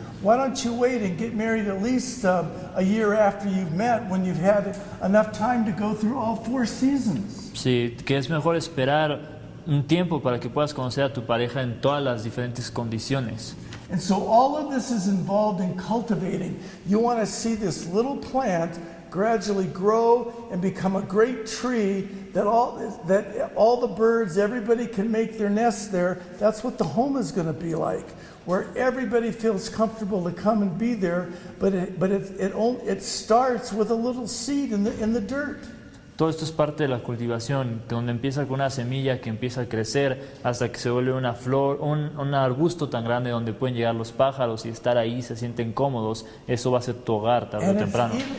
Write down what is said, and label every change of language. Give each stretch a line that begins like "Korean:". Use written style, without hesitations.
English: Why don't you wait and get married at least a year after you've met when you've had enough time to go through all four seasons?
Spanish: Sí, que es mejor esperar un tiempo para que puedas conocer a tu pareja en todas las diferentes condiciones.
English: And so all of this is involved in cultivating. You want to see this little plant gradually grow and become a great tree that all the birds, everybody can make their nests there. That's what the home is going to be like, where everybody feels comfortable to come and be there, but it starts with a little seed in the dirt.
Spanish: Todo esto es parte de la cultivación, donde empieza con una semilla que empieza a crecer hasta que se vuelve una flor, un arbusto tan grande donde pueden llegar los pájaros y estar ahí, se sienten cómodos. Eso va a ser tu hogar tarde o temprano.